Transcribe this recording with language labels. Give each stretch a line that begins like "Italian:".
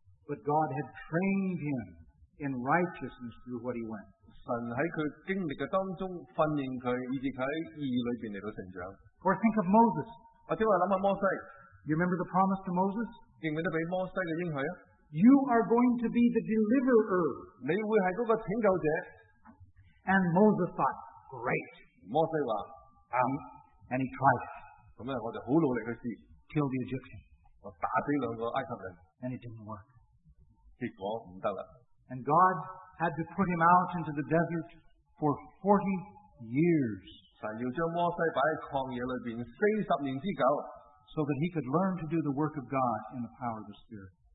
English: But God had trained him in righteousness through what he went.
Cantonese: 神喺佢经历嘅当中训练佢，以至佢喺义里边嚟到成长。
English: Or think of Moses.
Cantonese: 或者话谂下摩西。
English: You remember the promise to Moses?
Cantonese: 记唔记得俾摩西嘅应许啊？
English: You are going to be the deliverer.
Cantonese: 你会系嗰个拯救者。
English: And Moses thought, great.
Cantonese: 摩西话，
English: and he tried.
Cantonese: 咁咧，我就好努力去试。
English: Kill the Egyptian.
Cantonese: 我打死两个埃及人。
English: And it didn't work.
Cantonese: 结果唔得啦。
English: And God had to put him out into the desert for 40 years.
Cantonese: 神要将摩西摆喺旷野里边40年之久。
English: So that he could learn to do the work of God in the power of the Spirit.